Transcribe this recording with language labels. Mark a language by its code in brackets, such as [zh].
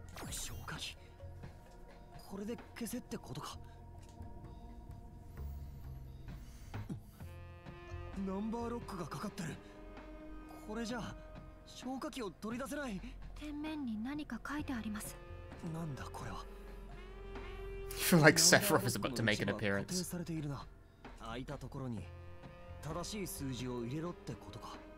[ja] 消火器、これで消せってことか。ナンバーロックがかかってる。これじゃ消火器を取り出せない。天面に何か書いてあります。なんだこれは。 [en] Like Sephiroth is about to make an appearance. [ja] 空いたところに正しい数字を入れろってことか。